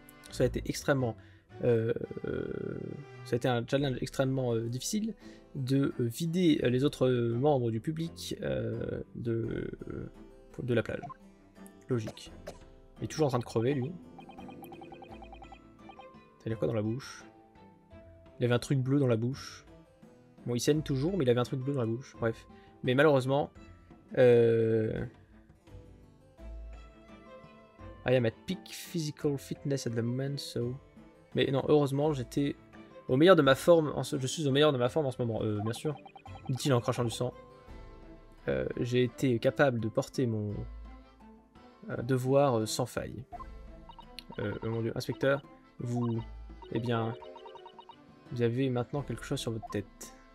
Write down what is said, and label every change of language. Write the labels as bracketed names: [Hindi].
[French] Ça a été extrêmement... ça a été un challenge extrêmement difficile de vider les autres membres du public de la plage. Logique. Il est toujours en train de crever, lui. Ça a l'air quoi dans la bouche? Il avait un truc bleu dans la bouche. Bon, il saigne toujours, mais il avait un truc bleu dans la bouche. Bref. Mais malheureusement... [English] I am at peak physical fitness at the moment, so... [French] Mais non, heureusement, j'étais au meilleur de ma forme. Je suis au meilleur de ma forme en ce moment, bien sûr. Dit-il en crachant du sang. J'ai été capable de porter mon devoir sans faille. Mon Dieu, inspecteur, vous, eh bien, vous avez maintenant quelque chose sur votre tête.